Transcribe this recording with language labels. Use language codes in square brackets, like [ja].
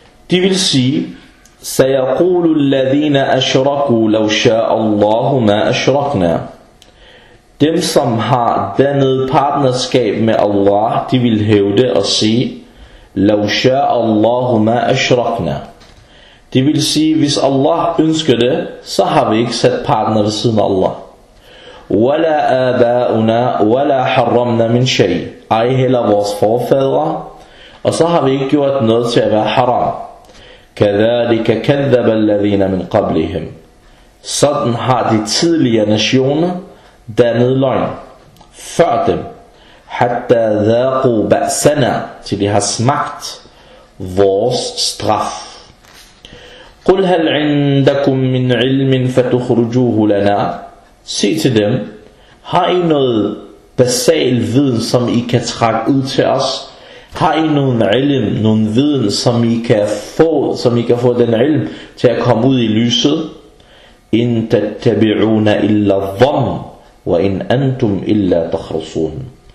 [da] De vil sige, [ar] سيقول الذين أشركوا لو شاء الله ما أشركنا. [da] Dem som har dannet partnerskab med Allah, de vil hævde og sige [ar] لو شاء الله ما أشركنا. [da] De vil sige, hvis Allah ønsker det, så har vi ikke sat partner ved siden af Allah. [ar] ولا آباؤنا ولا حرمنا من شيء. [da] Ej heller vores forfædre, og så har vi ikke gjort noget til at være haram. [ar] كذلك كذب الذين من قبلهم. [da] Sådan har de tidligere nationer dannet løgn før dem. [ar] حتى ذاقوا بأسنا, [da] til de har smagt vores straf. [ar] قل هل عندكم من علم فتخرجوه لنا. [da] Sig til dem, har I noget basal viden, som I kan trække ud til os? Har I nogen ilm, nogen viden, som I kan få, som I kan få den ilm til at komme ud i lyset? [ar] In tattabi'una illa dham, wa in antum illa takhrasun.